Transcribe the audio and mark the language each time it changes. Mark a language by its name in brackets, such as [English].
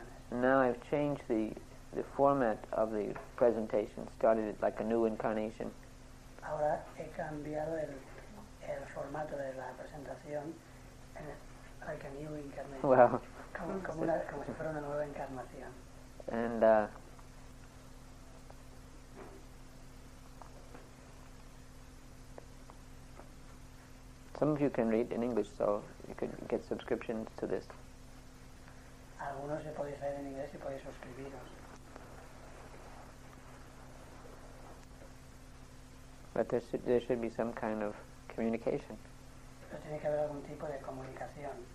[English] Now I've changed the format of the presentation, started it like a new incarnation. [Spanish] Ahora he cambiado el formato de la presentación en [English] like a new incarnation. Well, [Spanish] como si fuera una nueva encarnación. [English] And some of you can read in English, so you could get subscriptions to this. [Spanish] Algunos se podéis leer en inglés y podéis suscribiros. [English] But there should be some kind of communication. [Spanish] Pero tiene que haber algún tipo de comunicación.